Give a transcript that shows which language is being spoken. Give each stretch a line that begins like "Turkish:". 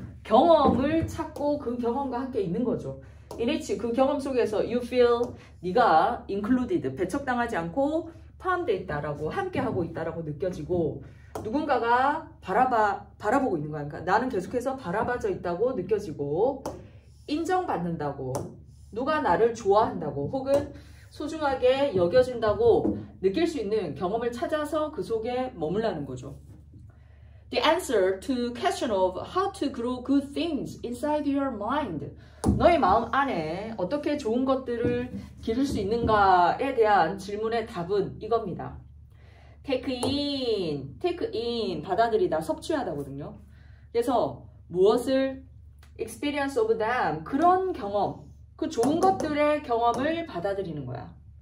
Korean: 경험을 찾고 그 경험과 함께 있는 거죠.
English: In each,
Korean: 그 경험 속에서
English: you feel
Korean: 네가 included, 배척당하지 않고 포함되어 있다라고 함께하고 있다라고 느껴지고 누군가가 바라보고 있는 거니까 나는 계속해서 바라봐져 있다고 느껴지고 인정받는다고 누가 나를 좋아한다고 혹은 소중하게 여겨진다고 느낄 수 있는 경험을 찾아서 그 속에 머물라는 거죠.
English: The answer to question of how to grow good things inside your mind.
Korean: 너의 마음 안에 어떻게 좋은 것들을 기를 수 있는가에 대한 질문의 답은 이겁니다.
English: Take in,
Korean: 받아들이다, 섭취하다거든요. 그래서 무엇을
English: experience of them,
Korean: 그런 경험, 그 좋은 것들의 경험을 받아들이는 거야.